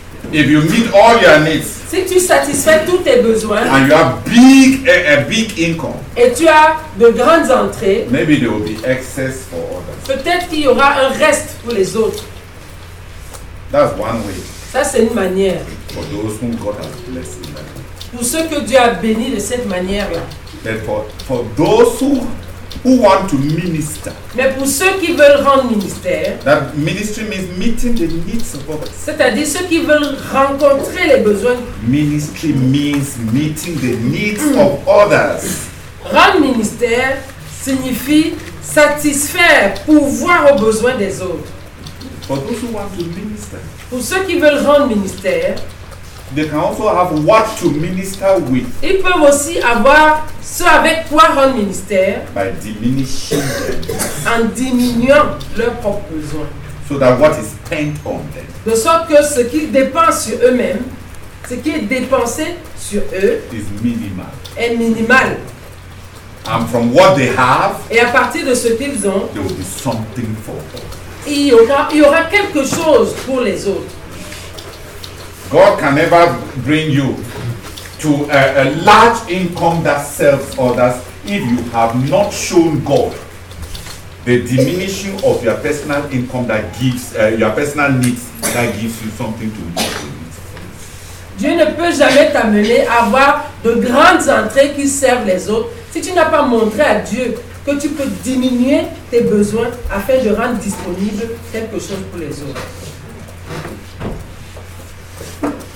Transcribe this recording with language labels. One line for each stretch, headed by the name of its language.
English: If you meet all your needs,
French: si tu satisfais tous tes besoins,
English: and you have a big income,
French: et tu as de grandes entrées,
English: maybe there will be excess for others.
French: Peut-être qu'il y aura un reste pour les autres.
English: That's one way.
French: Ça c'est une manière.
English: For those whom God has blessed in that.
French: Pour ceux que Dieu a bénis de cette manière-là.
English: But for those who want to minister.
French: Mais pour ceux qui veulent rendre ministère.
English: That ministry means meeting the needs of others.
French: C'est-à-dire ceux qui veulent rencontrer les besoins.
English: Ministry means meeting the needs of others.
French: Rendre ministère signifie satisfaire, pourvoir aux besoins des autres.
English: For those who want to minister.
French: Pour ceux qui veulent rendre ministère.
English: They can also have what to minister with.
French: Ils peuvent aussi avoir ce avec quoi rendre ministère.
English: By diminishing them.
French: En diminuant leurs propres besoins.
English: So that what is spent on them.
French: De sorte que ce qu'ils dépensent sur eux-mêmes, ce qui est dépensé sur eux,
English: is minimal.
French: Est minimal.
English: And from what they have,
French: et à partir de ce qu'ils ont,
English: there will be something for them.
French: Il y aura quelque chose pour les autres.
English: God can never bring you to a large income that serves others if you have not shown God the diminishing of your personal income that gives your personal needs that gives you something to need.
French: Dieu ne peut jamais t'amener à avoir de grandes entrées qui servent les autres si tu n'as pas montré à Dieu que tu peux diminuer tes besoins afin de rendre disponible quelque chose pour les autres.